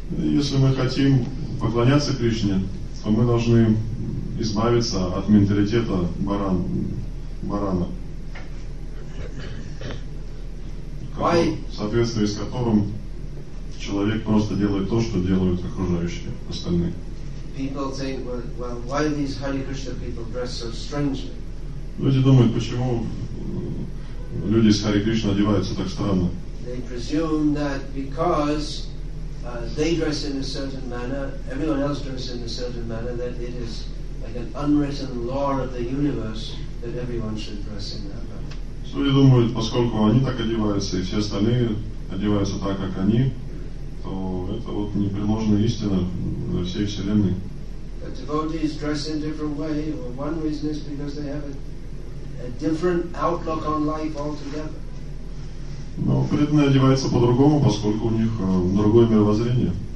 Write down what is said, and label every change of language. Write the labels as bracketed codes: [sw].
[ru] Если мы хотим поклоняться Кришне, то мы должны избавиться от менталитета барана. [en] Why? [ru] В соответствии с которым человек просто делает то, что делают окружающие, остальные. [en] People think, well, why these Hare Krishna people dress so strangely? [ru] Люди думают, почему люди из Hare Krishna одеваются так странно. [en] They presume that because they dress in a certain manner, everyone else dresses in a certain manner, that it is like an unwritten law of the universe that everyone should dress in that manner. [ru] Люди думают, поскольку они так одеваются, и все остальные одеваются так, как они, то это вот непреложная истина для всей Вселенной. [en] But devotees dress in a different way, or one reason is because they have a different outlook on life altogether. [ru] Но преданные одеваются по-другому, поскольку у них другое мировоззрение.